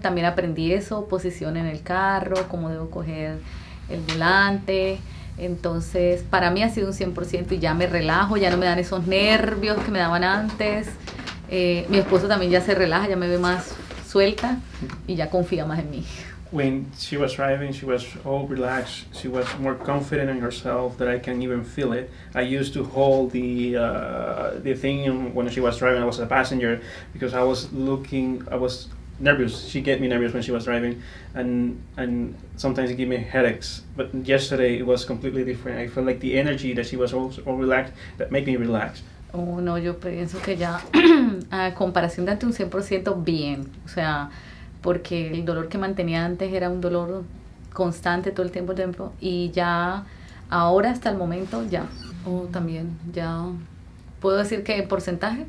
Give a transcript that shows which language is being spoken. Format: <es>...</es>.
<es>También aprendí eso, posición en el carro, cómo debo coger el volante. Entonces para mí ha sido un 100% y ya me relajo, ya no me dan esos nervios que me daban antes. Mi esposo también ya se relaja, ya me ve más suelta y ya confía más en mí.</es> <en>When she was driving, she was all relaxed. She was more confident in herself that I can even feel it. I used to hold the thing when she was driving. I was a passenger because I was looking. I was nervous. She get me nervous when she was driving, and sometimes it gave me headaches. But yesterday it was completely different. I felt like the energy that she was all relaxed that made me relax.</en> <es>Oh no, yo pienso que ya a comparación de ante un 100% bien, o sea. Porque el dolor que mantenía antes era un dolor constante todo el tiempo, y ya ahora hasta el momento ya, también ya puedo decir que en porcentaje,</es>